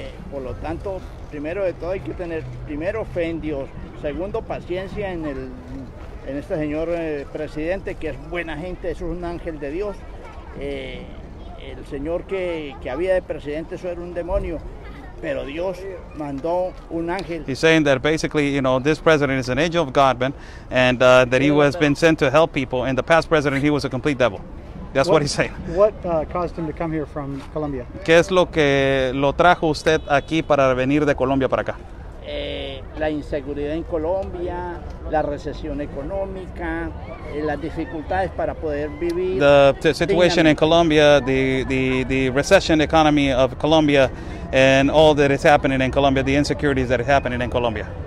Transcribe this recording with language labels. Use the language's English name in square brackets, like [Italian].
[Spanish] Por lo tanto, primero de todo hay que tener primero fe en Dios, segundo paciencia en este señor presidente, que es buena gente, es un ángel de Dios. El señor que había de presidente, eso era un demonio, pero Dios mandó un ángel. [English] He's saying that basically, you know, this president is an angel of God, man, and that he has been sent to help people, and the past president, he was a complete devil. That's what he's saying. What caused him to come here from Colombia? [Spanish] ¿Qué es lo que lo trajo usted aquí para venir de Colombia para acá? La inseguridad en Colombia, la recesión económica, las dificultades para poder vivir. [English] The situation in Colombia, the recession economy of Colombia, and all that is happening in Colombia, the insecurities that are happening in Colombia.